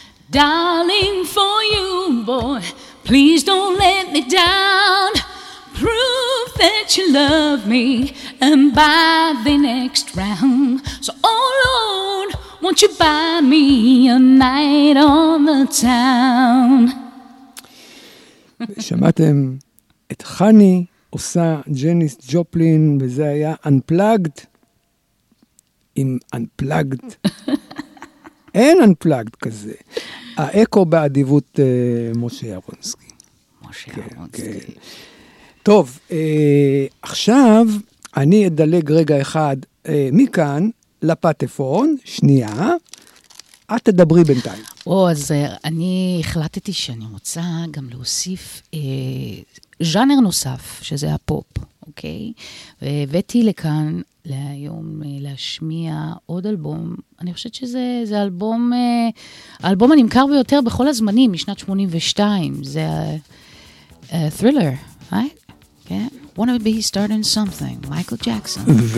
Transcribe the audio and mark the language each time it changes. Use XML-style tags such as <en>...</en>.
<en>Darling, for you, boy, please don't let me down. Prove that you love me and buy the next round. So, oh Lord, won't you buy me a night on the town?</en> <he>שמעתם את חני עושה ג'ניס ג'ופלין, וזה היה Unplugged. עם Unplugged. אין Unplugged כזה. האקו באדיבות משה ירונסקי. משה ירונסקי. טוב, עכשיו אני אדלג רגע אחד מכאן לפטפון, שנייה, את תדברי בינתיים. אז אני החלטתי שאני רוצה גם להוסיף ז'אנר נוסף, שזה הפופ, אוקיי? והבאתי לכאן להיום להשמיע עוד אלבום, אני חושבת שזה אלבום, האלבום הנמכר ביותר בכל הזמנים, משנת 82, זה Thriller, right?</he> <en>Yeah, want to be starting something, Michael Jackson.</en>